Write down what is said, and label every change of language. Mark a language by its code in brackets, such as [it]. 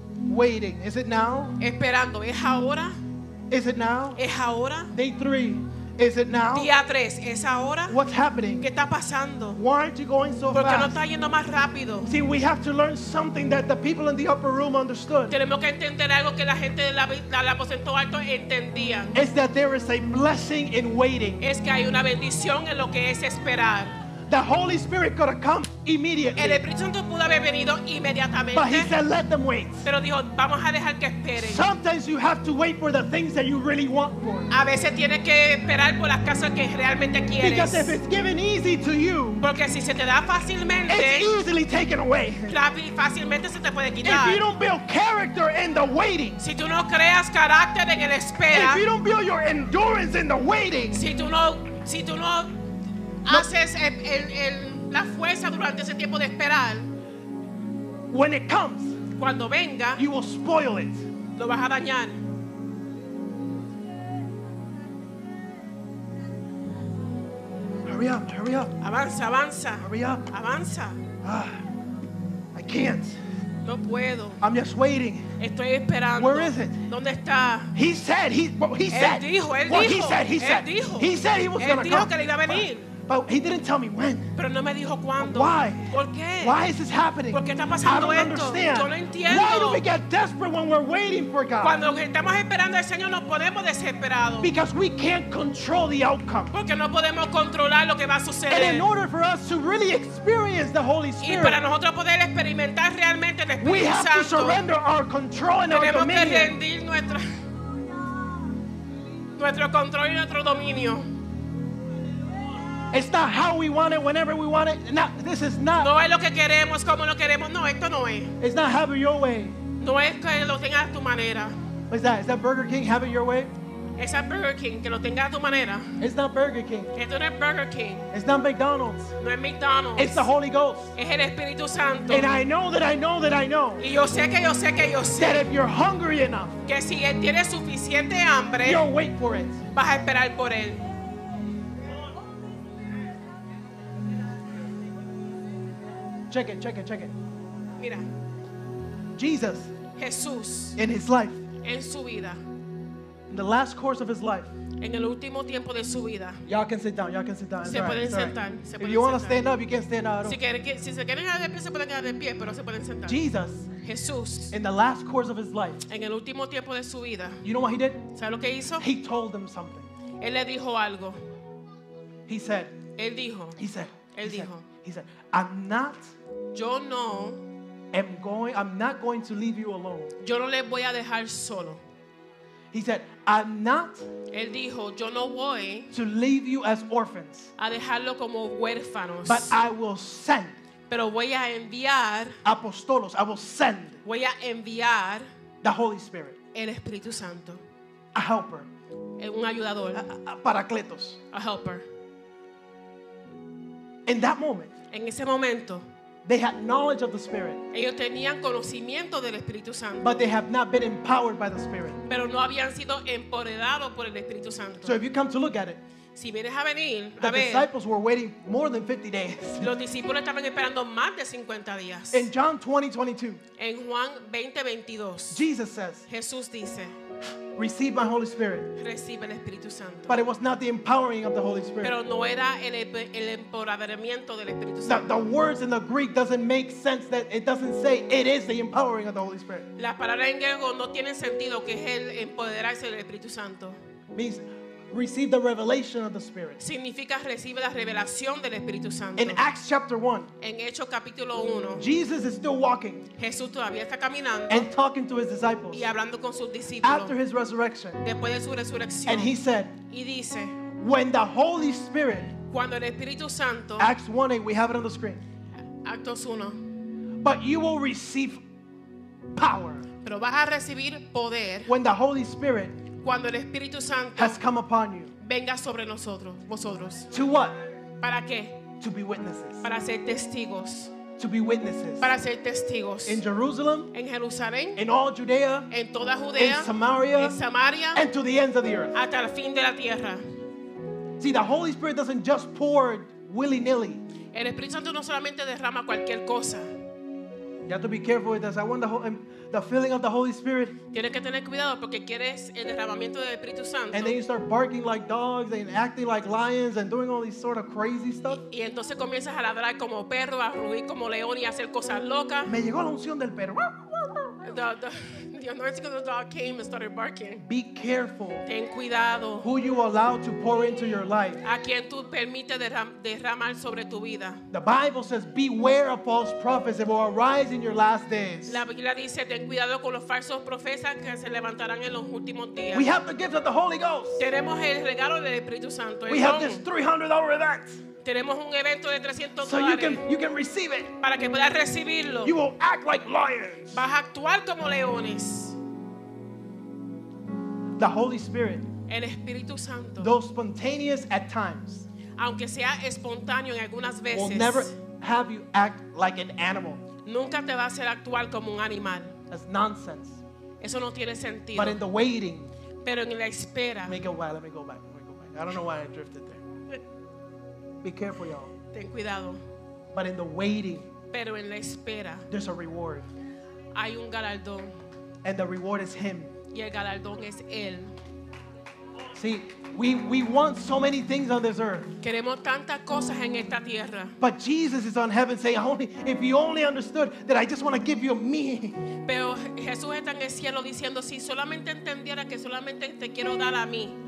[en] Waiting. Is it now? [es] Esperando. ¿Es ahora? [en] Is it now? [es] ¿Es ahora? [en] Day 3. Is it now? [es] Día 3. ¿Es ahora? [en] What's happening? [es] ¿Qué está pasando? [en] Why aren't you going so [es] porque [en] fast? [es] No está yendo más rápido. [en] See, we have to learn something that the people in the upper room understood. [es] Tenemos que entender algo que la gente de la aposento alto entendía. [en] Is that there is a blessing in waiting. [es] Es que hay una bendición en lo que es esperar. [en] The Holy Spirit could have come immediately. [es] El Espíritu Santo pudo haber venido inmediatamente. [en] But he said, let them wait. [es] Pero dijo, vamos a dejar que esperen. [en] Sometimes you have to wait for the things that you really want for. [es] A veces tienes que esperar por las cosas que realmente quieres. [en] Because if it's given easy to you, [es] porque si se te da fácilmente, [en] it's easily taken away. [es] Fácilmente se te puede quitar. [en] If you don't build character in the waiting, [es] si tú no creas carácter en el espera, [en] if you don't build your endurance in the waiting, [es] si tú no no. Haces la fuerza durante ese tiempo de esperar. [en] When it comes, [es] cuando venga, [en] you will spoil it. [es] Lo vas a dañar. [en] Hurry up. [es] Avanza. [en] Hurry up. [es] Avanza. [en] I can't. [es] No puedo. [en] I'm just waiting. [es] Estoy esperando. [en] Where is it? [es] ¿Dónde está? [en] He said. He said. [es] Él dijo. [en] He said. He said he was going to come. [es] Él dijo que le iba a venir. [en] But, But he didn't tell me when. [es] Pero no me dijo cuándo. [en] Why? [es] ¿Por qué? [en] Why is this happening? [es] ¿Por qué está pasando esto? [en] I don't understand. [es] Yo no entiendo. [en] Why do we get desperate when we're waiting for God? [es] Cuando estamos esperando al Señor, nos ponemos desesperados. [en] Because we can't control the outcome. [es] Porque no podemos controlar lo que va a suceder. [en] And in order for us to really experience the Holy Spirit, [es] y para nosotros poder experimentar realmente el Espíritu [en] Santo, we have to surrender our control and our dominion. [es] Tenemos que rendir nuestro control y nuestro dominio. [en] It's not how we want it, whenever we want it. No, this is not. [es] No es lo que queremos, como lo queremos. No, esto no es. [en] It's not have it your way. [es] No es que lo tengas tu manera. [en] What's that? Is that Burger King? Have it your way. [es] Es a Burger King que lo tenga a tu manera. [en] It's not Burger King. [es] Esto no es Burger King. [en] It's not McDonald's. [es] No es McDonald's. [en] It's the Holy Ghost. [es] Es el Espíritu Santo. [en] And I know that I know that I know. [es] Y yo sé que yo sé que yo sé. [en] That if you're hungry enough, [es] que si él tiene suficiente hambre, [en] you'll wait for it. [es] Vas a esperar por él. [en] Check it. [es] Mira. [en] Jesus. [es] Jesús. [en] In his life. [es] En su vida. [en] In the last course of his life. [es] En el último tiempo de su vida. [en] Y'all can sit down. [es] Se pueden sentar. [en] If you want to stand up, you can stand up. [es] Si se quieren quedar de pie, se pueden quedar de pie, pero se pueden sentar. [en] Jesus. [es] Jesús. [en] In the last course of his life. [es] En el último tiempo de su vida. [en] You know what he did? [es] ¿Sabe lo que hizo? [en] He told them something. [es] Él le dijo algo. [en] He said. [es] Él dijo. [en] He said. [es] Él dijo. [en] He said, I'm not. [es] Yo no. [en] Am going. I'm not going to leave you alone. [es] Yo no les voy a dejar solo. [en] He said, I'm not. [es] Él dijo, yo no voy. [en] To leave you as orphans. [es] A dejarlo como huérfanos. [en] But I will send. [es] Pero voy a enviar. [en] Apostolos. I will send. [es] Voy a enviar. [en] The Holy Spirit. [es] El Espíritu Santo. [en] A helper. [es] Un ayudador. [el] Paracletos. [en] A helper. In that moment. [es] En ese momento. [en] They had knowledge of the Spirit. [es] Ellos tenían conocimiento del Espíritu Santo. [en] But they have not been empowered by the Spirit. [es] Pero no habían sido empoderados por el Espíritu Santo. [en] So if you come to look at it. [es] Si vienes a venir, [en] the [es] a ver, [en] disciples were waiting more than 50 days. [es] Los discípulos estaban esperando más de 50 días. [en] In John 20:22. [es] En Juan 20:22. [en] Jesus says. [es] Jesús dice. [en] Receive my Holy Spirit. [es] Recibe el Espíritu Santo. [en] But it was not the empowering of the Holy Spirit. [es] Pero no era el empoderamiento del Espíritu Santo. [en] The words in the Greek doesn't make sense. That it doesn't say it is the empowering of the Holy Spirit. [es] Las palabras en griego no tienen sentido que es el empoderarse del Espíritu Santo. [en] Means receive the revelation of the Spirit. [es] Significa recibe la revelación del Espíritu Santo. [en] In Acts chapter 1. [es] En Hechos capítulo 1. [en] Jesus is still walking. [es] Jesús todavía está caminando. [en] And talking to his disciples. [es] Y hablando con sus discípulos. [en] After his resurrection. [es] Después de su resurrección. [en] And he said. [es] Y dice. [en] When the Holy Spirit. [es] Cuando el Espíritu Santo. [en] Acts 1:8, we have it on the screen. [es] Actos 1. [en] But you will receive power. [es] Pero vas a recibir poder. [en] When the Holy Spirit. [es] Cuando el Espíritu Santo [en] has come upon you. [es] Venga sobre nosotros, vosotros. [en] To what? [es] ¿Para qué? [en] To be witnesses. [es] Para ser testigos. [en] To be witnesses. [es] Para ser testigos. [en] In Jerusalem. [es] En Jerusalén. [en] In all Judea. [es] En toda Judea. [en] In Samaria. [es] En Samaria. [en] And to the ends of the earth. [es] Hasta el fin de la tierra. [en] See, the Holy Spirit doesn't just pour willy-nilly. [es] El Espíritu Santo no solamente derrama cualquier cosa. [en] You have to be careful with this. I want the filling of the Holy Spirit. [es] Tienes que tener cuidado porque quieres el derramamiento del Espíritu Santo. [en] And then you start barking like dogs and acting like lions and doing all these sort of crazy stuff. [es] Y entonces comienzas a ladrar como perro, a rugir como león y a hacer cosas locas. Me llegó la unción del perro. [en] The anointing of the dog came and started barking. Be careful. [es] Ten cuidado. [en] Who you allow to pour into your life. [es] A quien tú permites derramar sobre tu vida. [en] The Bible says, "Beware of false prophets that will arise in your last days." [es] La Biblia dice, ten cuidado con los falsos profetas que se levantarán en los últimos días. [en] We have the gift of the Holy Ghost. [es] Tenemos el regalo del Espíritu Santo. [en] We have this $300 event. [es] Tenemos un evento de 300 [en] dólares. So you can receive it. [es] Para que puedas recibirlo. [en] You will act like lions. [es] Vas a actuar como leones. [en] The Holy Spirit. [es] El Espíritu Santo. [en] Though spontaneous at times. [es] Aunque sea espontáneo en algunas veces. [en] Will never have you act like an animal. [es] Nunca te va a hacer actuar como un animal. [en] That's nonsense. [es] Eso no tiene sentido. [en] But in the waiting. [es] Pero en la espera. [en] Let me go back. I don't know why I drifted there. Be careful, y'all. [es] Ten cuidado. [en] But in the waiting. [es] Pero en la espera. [en] There's a reward. [es] Hay un galardón. [en] And the reward is him. [es] Y el galardón es él. [en] See, we want so many things on this earth. [es] Queremos tantas cosas en esta tierra. [en] But Jesus is on heaven saying, only, if you only understood that I just want to give you me. [es] Pero Jesús está en el cielo diciendo, si solamente entendiera que solamente te quiero dar a mí.